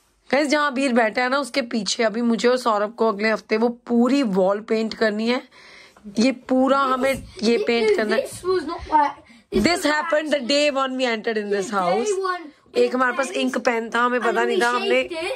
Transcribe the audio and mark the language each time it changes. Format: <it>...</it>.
<hi>Guys जहाँ अबीर बैठा है ना उसके पीछे अभी मुझे और सौरभ को अगले हफ्ते वो पूरी वॉल पेंट करनी है। ये पूरा हमें ये पेंट करना है।</hi> <en>This happened the day when we entered in this house.</en> <hi>एक हमारे पास इंक पेन था, हमें पता नहीं था हमने।</hi>